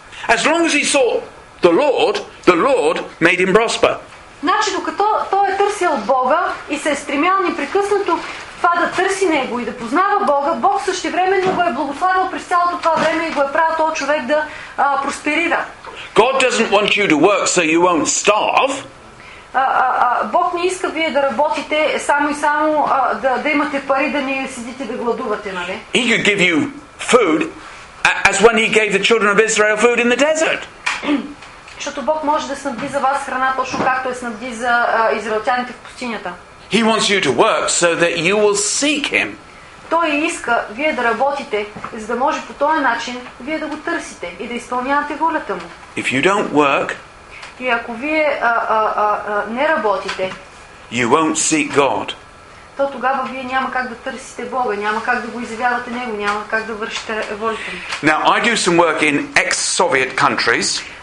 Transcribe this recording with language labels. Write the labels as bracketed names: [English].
[English] As long as he sought The Lord made him prosper. [Bulgarian] Значи, докато той е търсил Бога и се е стремял непрекъснато това да търси Него и да познава Бога, Бог същевременно го е благославил през цялото това време и го е правил този човек да просперира. [English] God doesn't want you to work so you won't starve. [Bulgarian] Бог не иска вие да работите само и само да имате пари, да не седите да гладувате, нали? [English] He could give you food as when he gave the children of Israel food in the desert. [Bulgarian] Защото Бог може да снабди за вас храна точно както е снабди за израелтяните в пустинята. [English] He wants you to work so that you will seek him. [Bulgarian] Той иска вие да работите, за да може по този начин вие да го търсите и да изпълнявате волята му. [English] If you don't work, [Bulgarian] и ако вие не работите, [English] you won't seek God. [Bulgarian] То тогава вие няма как да търсите Бога, няма как да го изявявате Него, няма как да вършите волята му. [English] Now I do some work in ex-Soviet countries.